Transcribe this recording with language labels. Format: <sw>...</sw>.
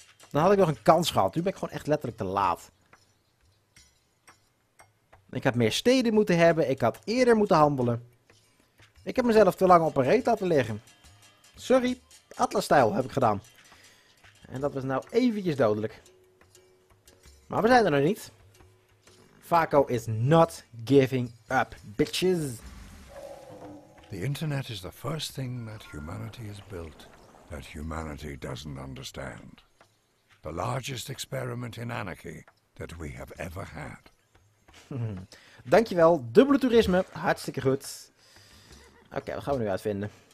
<nl>Dan had ik nog een kans gehad. Nu ben ik gewoon echt letterlijk te laat. Ik had meer steden moeten hebben. Ik had eerder moeten handelen. Ik heb mezelf te lang op een reet laten liggen. Sorry, Atlas-stijl heb ik gedaan. En dat was nou eventjes dodelijk. Maar we zijn er nog niet.</nl> <en>Faco is not giving up, bitches. The internet is the first thing that humanity has built that humanity doesn't understand. The largest experiment in anarchy that we have ever had.</en> <nl>Dankjewel, dubbele toerisme, hartstikke goed. Oké, wat gaan we nu uitvinden?</nl>